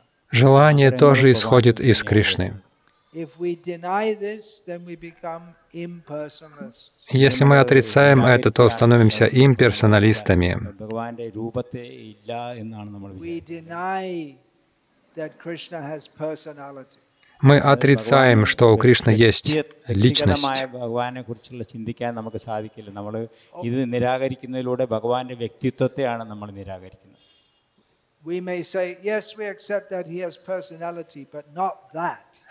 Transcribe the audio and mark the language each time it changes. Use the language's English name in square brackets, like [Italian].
[Russian] Желание тоже исходит из Кришны. [English] If we deny this, then we become impersonalists. [Russian] Если мы отрицаем это, то становимся имперсоналистами. [English] We deny that Krishna has personality. [Russian] Мы отрицаем, что у Кришны есть личность. [Malayalam] ഭഗവാനെ കുറിച്ചുള്ള ചിന്തിക്കാൻ നമുക്ക് സാധിക്കില്ല. നമ്മൾ ഇത് നിരാകരിക്കുന്നതിലൂടെ ഭഗവാന്റെ വ്യക്തിത്വത്തെയാണ് നമ്മൾ നിരാകരിക്കുന്നത്. [English] We may say, yes, we accept that he has personality, but not that.